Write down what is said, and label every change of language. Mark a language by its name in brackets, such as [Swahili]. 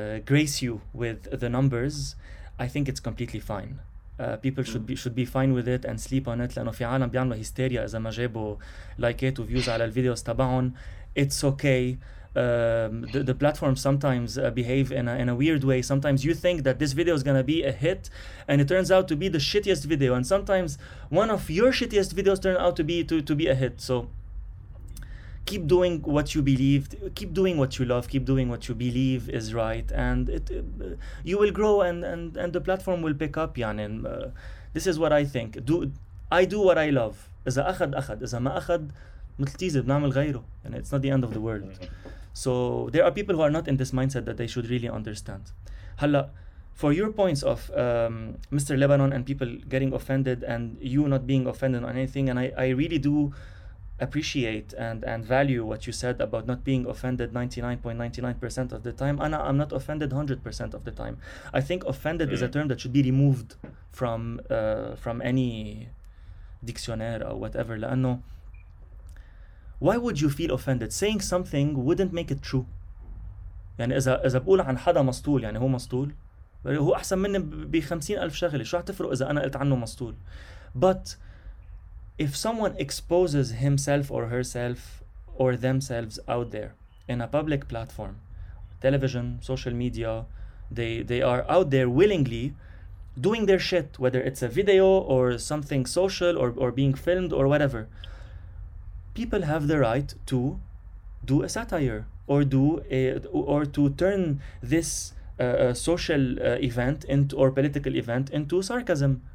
[English] grace you with the numbers, I think it's completely fine. people should be fine with it and sleep on it. [Arabic] لأنه في عالم بيعملوا هستيريا إذا ما جابوا لايكات وفيوز على الفيديوز تبعهم. [English] It's okay. The platform sometimes behave in a weird way. Sometimes you think that this video is gonna be a hit, and it turns out to be the shittiest video. And sometimes one of your shittiest videos turn out to be a hit. So keep doing what you believed. Keep doing what you love. Keep doing what you believe is right, and you will grow, and the platform will pick up. [Arabic] يعني, [English] this is what I think. I do what I love. [Arabic] إذا أخذ أخذ إذا ما أخذ مثل تيزي بنعمل غيره. [English] And it's not the end of the world. So there are people who are not in this mindset that they should really understand. Hala, for your points of Mr. Lebanon and people getting offended and you not being offended on anything, and I really do appreciate and value what you said about not being offended 99.99% of the time. Ana, I'm not offended 100% of the time. I think offended is a term that should be removed from any dictionary or whatever. [Arabic] لأنه, [English] why would you feel offended? Saying something wouldn't make it true. [Arabic] يعني إذا بقول عن حدا مسطول, يعني هو مسطول, هو أحسن مني بخمسين ألف شغلة, شو هتفرق إذا أنا قلت عنه مسطول. [English] But if someone exposes himself or herself or themselves out there in a public platform, television, social media, they are out there willingly doing their shit, whether it's a video or something social or being filmed or whatever, people have the right to do a satire or to turn this social event into or political event into sarcasm.